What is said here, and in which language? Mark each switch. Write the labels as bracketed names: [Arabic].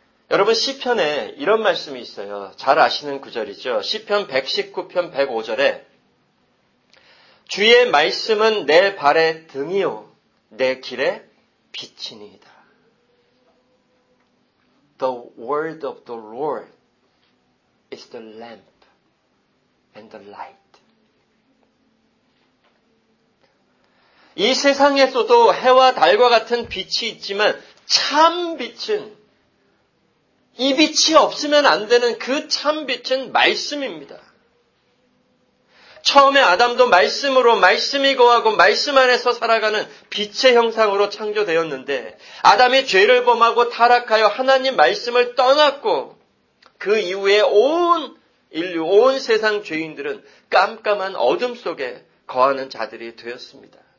[Korean] 여러분 시편에 이런 말씀이 있어요. 잘 아시는 구절이죠. 시편 119편 105절에 주의 말씀은 내 발의 등이요 내 길에 빛이니이다. [English] The word of the Lord is the lamp and the light. [Korean] 이 세상에서도 해와 달과 같은 빛이 있지만 참빛은 이 빛이 없으면 안 되는 그 참빛은 말씀입니다. 처음에 아담도 말씀으로 말씀이 거하고 말씀 안에서 살아가는 빛의 형상으로 창조되었는데 아담이 죄를 범하고 타락하여 하나님 말씀을 떠났고 그 이후에 온 인류, 온 세상 죄인들은 깜깜한 어둠 속에 거하는 자들이 되었습니다.